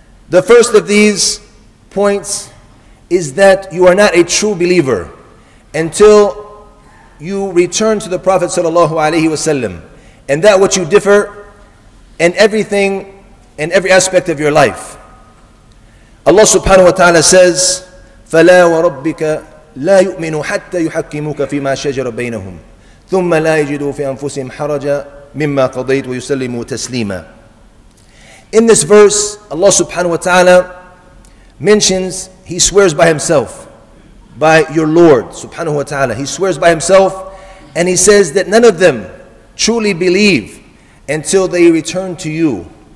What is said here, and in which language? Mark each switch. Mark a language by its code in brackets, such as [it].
[en] The first of these points is that you are not a true believer until you return to the Prophet sallallahu alaihi wasallam, and that which you differ in everything and every aspect of your life. [ar] Allah subhanahu wa ta'ala says, فَلَا وَرَبِّكَ لَا يُؤْمِنُ حَتَّى يُحَكِّمُكَ فِي مَا شَجَرَ بَيْنَهُمْ ثُمَّ لَا يَجِدُوا فِي أَنفُسِهِمْ حَرَجًا مِمَّا قَضَيْتُ وَيُسَلِّمُوا تَسْلِيمًا. [en] In this verse, Allah subhanahu wa ta'ala mentions, he swears by himself, by your Lord subhanahu wa ta'ala. He swears by himself, and he says that none of them truly believe until they return to you.